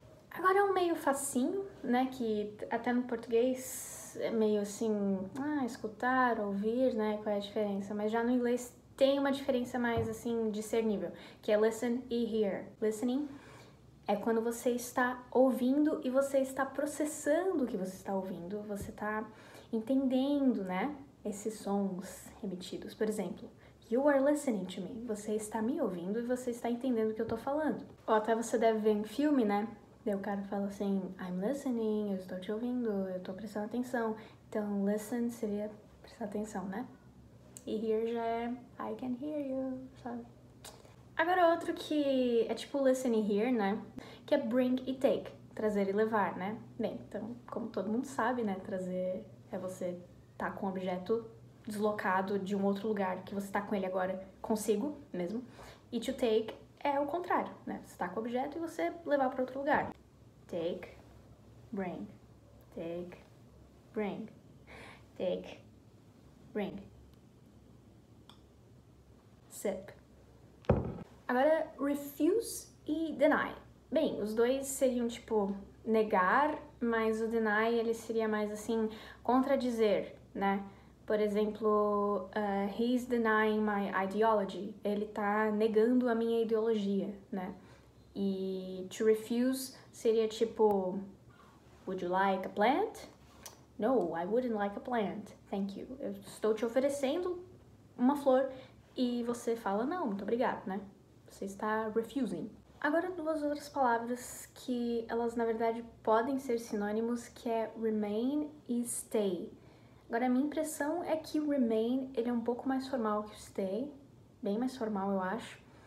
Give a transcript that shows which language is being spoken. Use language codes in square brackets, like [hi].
[pt] Agora é um meio facinho, né? Que até no português é meio assim, escutar, ouvir, né? Qual é a diferença? Mas já no inglês tem uma diferença mais assim, discernível, que é listen e hear. Listening é quando você está ouvindo e você está processando o que você está ouvindo, você está entendendo, né? Esses sons emitidos. Por exemplo, [en] you are listening to me. [pt] Você está me ouvindo e você está entendendo o que eu estou falando. Ou até você deve ver em filme, né? Daí o cara fala assim, [en] I'm listening, [pt] eu estou te ouvindo, eu estou prestando atenção. Então, listen seria prestar atenção, né? [en] E hear já é, I can hear you, [pt] sabe? Agora outro que é tipo listen e hear, né? Que é bring e take, trazer e levar, né? Bem, então, como todo mundo sabe, né? Trazer é você estar com um objeto deslocado de um outro lugar que você está com ele agora consigo mesmo. E to take é o contrário, né? Você está com o objeto e você levar para outro lugar. [en] Take, bring, take, bring, take, bring. [pt] Sip. Agora, refuse e deny. Bem, os dois seriam tipo negar, mas o deny ele seria mais assim contradizer, né? Por exemplo, [en] he's denying my ideology. [pt] Ele tá negando a minha ideologia, né? [en] E to refuse [pt] seria tipo, [en] would you like a plant? No, I wouldn't like a plant. Thank you. [pt] Eu estou te oferecendo uma flor e você fala não, muito obrigado, né? Você está refusing. Agora duas outras palavras que elas na verdade podem ser sinônimos, que é remain e stay. Agora, a minha impressão é que remain, ele é um pouco mais formal que stay, bem mais formal, eu acho.